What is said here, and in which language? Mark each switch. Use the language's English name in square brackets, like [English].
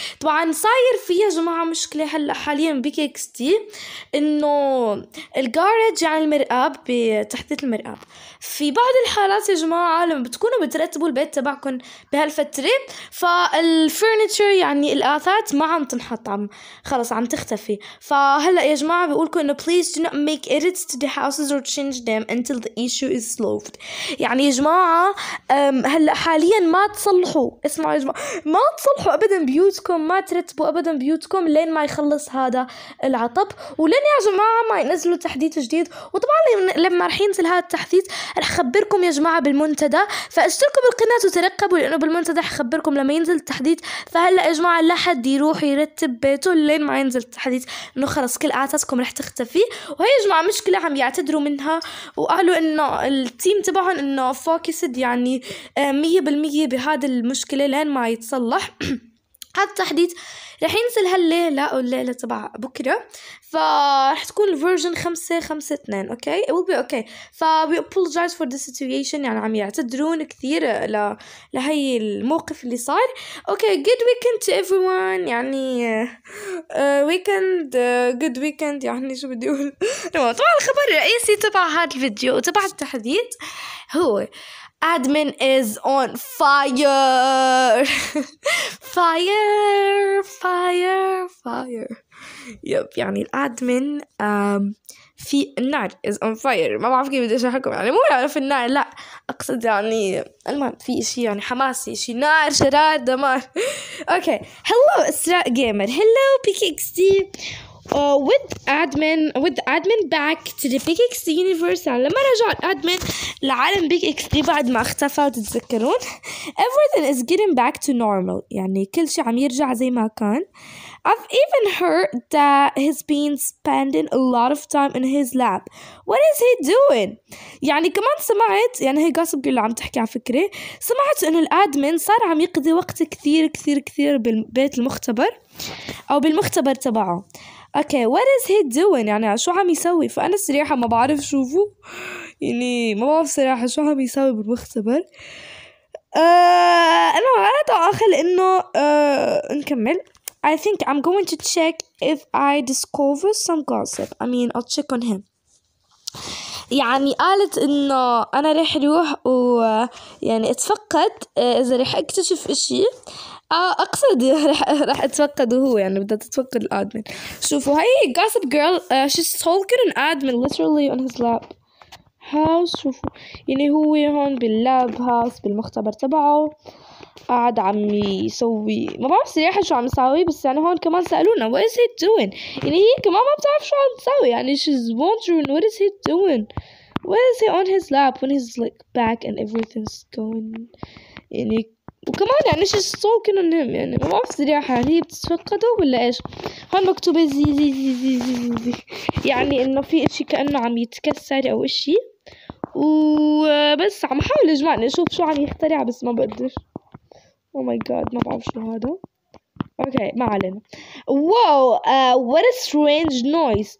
[Arabic] طبعا صاير فيه يا جماعه مشكله هلا حاليا بي كي اكس تي انه الجارج يعني المرقاب تحديث المرقب. في بعض الحالات يا جماعة لما بتكونوا بترتبوا البيت تبعكم بهالفترة فالفرنتشر يعني الآثاث ما عم تنحط، عم خلص عم تختفي. فهلأ يا جماعة بيقولكم إنه [English] please do not make edits to the houses or change them until the issue is solved. [Arabic] يعني يا جماعة هلأ حاليا ما تصلحوا، اسمعوا يا جماعة ما تصلحوا أبدا بيوتكم، ما ترتبوا أبدا بيوتكم لين ما يخلص هذا العطب، ولين يا جماعة ما ينزلوا تحديث جديد. وطبعا لما رح ينزل هذا التحديث رح خبركم يا جماعة بالمنتدى، فاشتركوا بالقناة وترقبوا لأنه بالمنتدى رح خبركم لما ينزل التحديث. فهلأ يا جماعة لا حد يروح يرتب بيته لين ما ينزل التحديث، إنه خلص كل آثاتكم رح تختفي. وهي يا جماعة مشكلة عم يعتذروا منها وقالوا إنه التيم تبعهم إنه فوكسد يعني 100% بهذا المشكلة لين ما يتصلح. هذا التحديث رح ينزل هالليلة أو الليلة تبع بكرة، فرح تكون الفيرجن 5.5.2. [English] Okay will be okay. [Arabic] ف [English] we apologize for the situation، [Arabic] يعني عم يعتذرون كثير لهي الموقف اللي صار. [English] okay good weekend to everyone، يعني weekend good weekend، [Arabic] يعني شو بدي أقول. طبعا الخبر الرئيسي تبع هذا الفيديو وتبع التحديث هو [English] admin is on fire. fire fire fire yep. [Arabic] يعني الادمن في النار [English] is on fire. [Arabic] ما بعرف كيف بدي اشرح لكم، يعني مو بعرف النار، لا اقصد يعني المهم في شيء يعني حماسي، شيء نار شرار دمار. اوكي هلو اسراء جيمر، هلو بي كي اكس تي. [English] With admin back to the Big X universe. [Arabic] يعني لما رجع admin لعالم Big X بعد ما اختفى وتتذكرون. [English] Everything is getting back to normal. [Arabic] يعني كل شيء عم يرجع زي ما كان. [English] I've even heard that he's been spending a lot of time in his lab. What is he doing? [Arabic] يعني كمان سمعت، يعني هي قاسب قيل عم تحكي على فكرة، سمعت إن الادمن صار عم يقضي وقت كثير كثير كثير بالبيت المختبر أو بالمختبر تبعه. [English] okay what is he doing, [Arabic] يعني شو عم يسوي؟ فانا صراحه ما بعرف شوفه، يعني ما بعرف صراحه شو عم يسوي بالمختبر. انا على تاخر انه نكمل. [English] I think I'm going to check if I discover some gossip. I mean I'll check on him. [Arabic] يعني قالت انه انا رح اروح و يعني اتفقد اذا رح اكتشف اشي، اقصد رح اتفقده هو، يعني بدها تتفقد الادمن. شوفوا هاي [English] gossip girl she's talking an admin literally on his lab house. [Arabic] شوفوا يعني هو هون باللاب هاوس بالمختبر تبعه قاعد عم يسوي، ما بعرف صراحة شو عم يسوي، بس يعني هون كمان سألونا [English] what is he doing، [Arabic] يعني هي كمان ما بتعرف شو عم تسوي. [English] يعني she's wondering what is he doing what is he on his lap when he's like back and everything's going. [Arabic] يعني وكمان يعني [English] she's talking on him، [Arabic] يعني ما بعرف صراحة يعني هي بتتفقده ولا ايش. هون مكتوبة زي زي زي زي زي زي زي. يعني انه في اشي كأنه عم يتكسر او اشي، وبس عم حاول يا جماعة نشوف شو عم يخترع بس ما بقدر. [English] Oh my god [Arabic] ما بعرف شو هذا. اوكي ما علينا. [English] Wow what a strange noise.